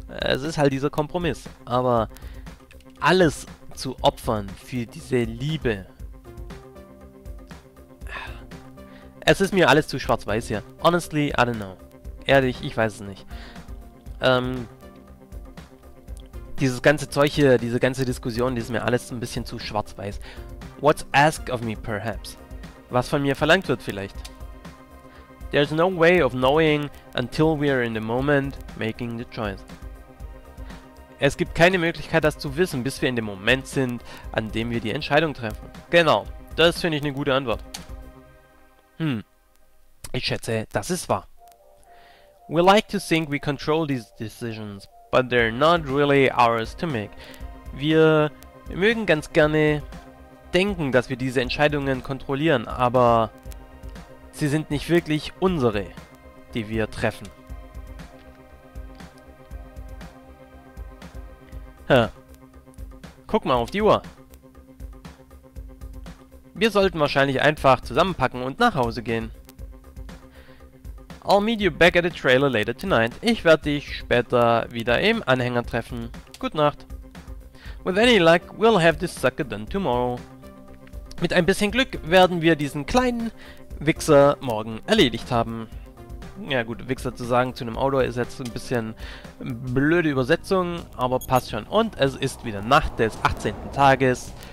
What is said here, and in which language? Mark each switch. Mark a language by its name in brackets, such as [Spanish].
[German] Es ist halt dieser Kompromiss. Aber alles zu opfern für diese Liebe, es ist mir alles zu schwarz-weiß hier. [English] Honestly, I don't know. [German] Ehrlich, ich weiß es nicht. Dieses ganze Zeug hier, diese ganze Diskussion, die ist mir alles ein bisschen zu schwarz-weiß. [English] What's asked of me, perhaps? [German] Was von mir verlangt wird, vielleicht? [English] There's no way of knowing until we're in the moment making the choice. [German] Es gibt keine Möglichkeit, das zu wissen, bis wir in dem Moment sind, an dem wir die Entscheidung treffen. Genau, das finde ich eine gute Antwort. Hm, ich schätze, das ist wahr. [English] We like to think we control these decisions, but they're not really ours to make. [German] Wir mögen ganz gerne denken, dass wir diese Entscheidungen kontrollieren, aber sie sind nicht wirklich unsere, die wir treffen. Guck mal auf die Uhr. Wir sollten wahrscheinlich einfach zusammenpacken und nach Hause gehen. [English] I'll meet you back at the trailer later tonight. [German] Ich werde dich später wieder im Anhänger treffen. Gute Nacht. [English] With any luck, we'll have this sucker done tomorrow. [German] Mit ein bisschen Glück werden wir diesen kleinen Wichser morgen erledigt haben. Ja gut, Wichser zu sagen zu einem Auto ist jetzt ein bisschen blöde Übersetzung, aber passt schon. Und es ist wieder Nacht des 18. Tages.